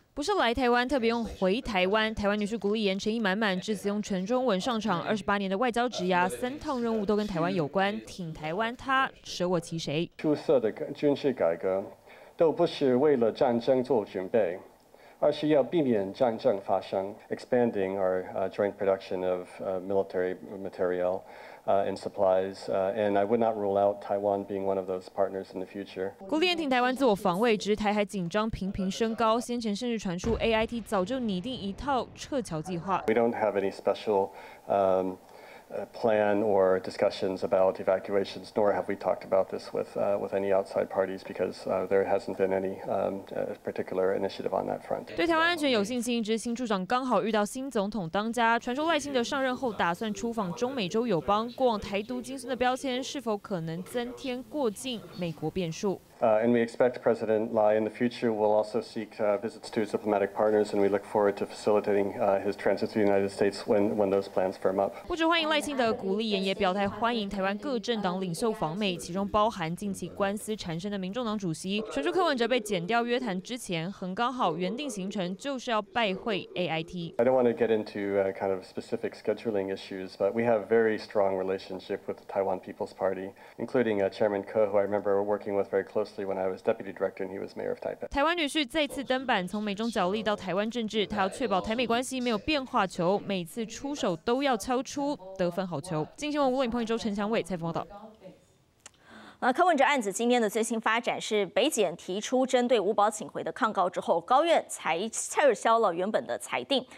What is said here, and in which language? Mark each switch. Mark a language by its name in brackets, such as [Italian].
[Chinese] 不是来台湾，特别用回台湾。台湾女士古丽妍诚意满满，至此用全中文上场。 28年的外交职涯，3趟任务都跟台湾有关，挺台湾，她舍我其谁？出色的军事改革，都不是为了战争做准备，而是要避免战争发生。 [English] Expanding our joint production of military material and supplies, and I would not rule out Taiwan being one of those partners in the future. [Chinese] 古丽妍挺台湾自我防卫，只是台海紧张频频升高。先前甚至传出 AIT 早就拟定一套撤侨计划。 [English] We don't have any special plan or discussions about evacuations, nor have we talked about this with any outside parties because there hasn't been any particular initiative on that front. [Chinese] 对台湾安全有信心，执行处长刚好遇到新总统当家，传出赖清德上任后打算出访中美洲友邦，过往台独金孙的标签是否可能增添过境美国变数？ [English] And we expect President Lai in the future will also seek visits to his diplomatic partners, and we look forward to facilitating his transit to the United States when those plans firm up. [Chinese] 不止欢迎赖清德，古丽妍也表态欢迎台湾各政党领袖访美，其中包含近期官司缠身的民众党主席。传出柯文哲被剪掉约谈之前，很刚好原定行程就是要拜会 AIT。 [English] I don't want to get into kind of specific scheduling issues, but we have very strong relationship with the Taiwan People's Party, including Chairman Ko, who I remember working with very closely. When I was deputy director and he was mayor of Taipei. [Chinese] 台湾女婿再次登板，从美中角力到台湾政治，他要确保台美关系没有变化球，每次出手都要敲出得分好球。经新闻吴伟鹏、周陈祥伟采访报道。柯文哲案子今天的最新发展是，北检提出针对吴宝请回的抗告之后，高院才撤销了原本的裁定。